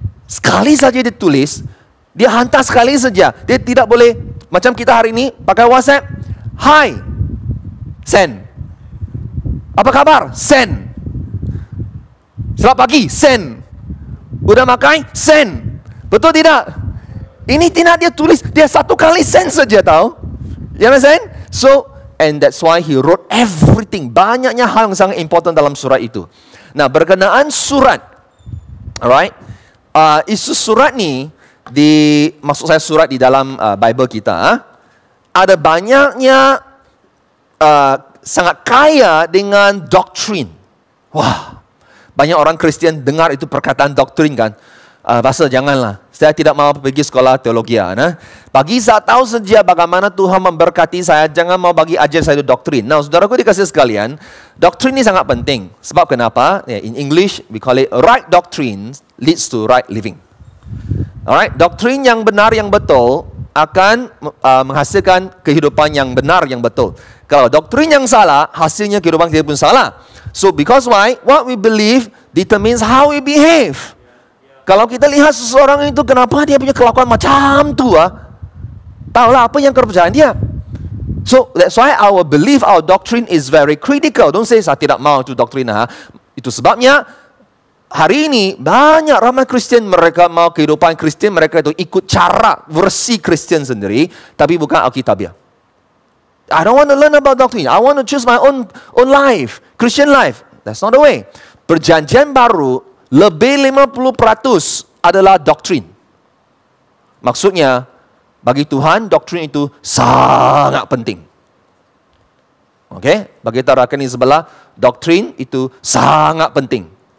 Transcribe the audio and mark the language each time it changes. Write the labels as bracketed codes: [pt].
[ms] Sekali saja dia tulis, dia hantar sekali saja, dia tidak boleh macam kita hari ini pakai WhatsApp. Hi, send. Apa kabar? Send. Selamat pagi, send. Udah makan? Send. Betul tidak? Ini tidak dia tulis, dia satu kali send saja tau. [en] You understand? So, and that's why he wrote everything. [ms] Banyaknya hal yang sangat important dalam surat itu. Nah, berkenaan surat. Alright? Isu surat ni, maksud saya surat di dalam Bible kita, ada banyaknya sangat kaya dengan doktrin. Wah, banyak orang Kristian dengar itu perkataan doktrin kan. Pastor, janganlah. Saya tidak mau pergi sekolah teologi. Nah. Bagi saya tahu saja bagaimana Tuhan memberkati saya, jangan mau bagi ajar saya itu doktrin. Nah, saudaraku dikasih sekalian, doktrin ini sangat penting. Sebab kenapa? [en] Yeah, in English, we call it right doctrine leads to right living. [ms] Alright, doktrin yang benar, yang betul, akan menghasilkan kehidupan yang benar, yang betul. Kalau doktrin yang salah, hasilnya kehidupan kita pun salah. So, because why? [en] What we believe determines how we behave. Kalau kita lihat seseorang itu, kenapa dia punya kelakuan macam itu? [ms] Tahulah apa yang kepercayaan dia. [en] So, that's why our belief, our doctrine is very critical. [ms] Don't say, saya tidak mau itu doktrin. Itu sebabnya, hari ini banyak ramai Kristian, mereka mau kehidupan Kristian mereka itu ikut cara versi Kristian sendiri, tapi bukan Alkitabiah. [en] I don't want to learn about doctrine. I want to choose my own life, Christian life. That's not the way. [ms] Perjanjian baru lebih 50% adalah doctrine. Maksudnya bagi Tuhan doctrine itu sangat penting. Okay, bagi rakan di sebelah, doctrine itu sangat penting.